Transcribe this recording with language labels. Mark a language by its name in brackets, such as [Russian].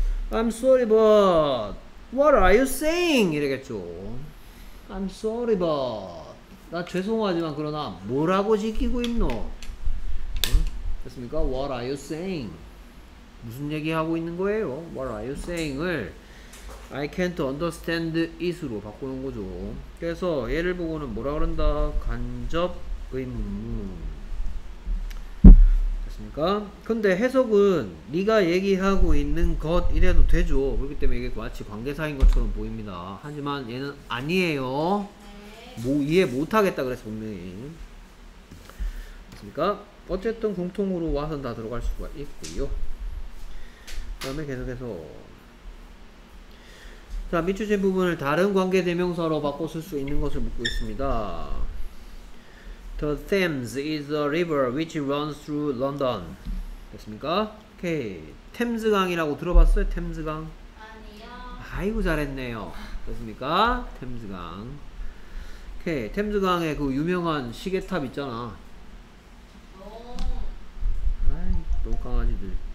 [English] I'm sorry but what are you saying? [Korean] 이러겠죠. [English] I'm sorry but [Korean] 나 죄송하지만 그러나 뭐라고 지키고 있노? 응? 됐습니까? [English] What are you saying? [Korean] 무슨 얘기하고 있는 거예요? [English] What are you saying? [Korean] 을 [English] I can't understand it [Korean] 으로 바꾸는 거죠. 그래서 얘를 보고는 뭐라 그런다? 간접 의문문. 됐습니까? 근데 해석은 네가 얘기하고 있는 것 이래도 되죠. 그렇기 때문에 이게 마치 관계사인 것처럼 보입니다. 하지만 얘는 아니에요. 뭐 이해 못하겠다 그랬어 분명히. 됐습니까? 어쨌든 공통으로 와서는 다 들어갈 수가 있고요. 그 다음에 계속해서 자 밑줄진 부분을 다른 관계대명사로 바꿔 쓸 수 있는 것을 묻고 있습니다. [English] The Thames is a river which runs through London. [Korean] 됐습니까? 오케이. 템즈강이라고 들어봤어요? 템즈강? 아니요. 아이고 잘했네요. 됐습니까? 템즈강. 오케이. 템즈강의 그 유명한 시계탑 있잖아. 아이 똥 강아지들.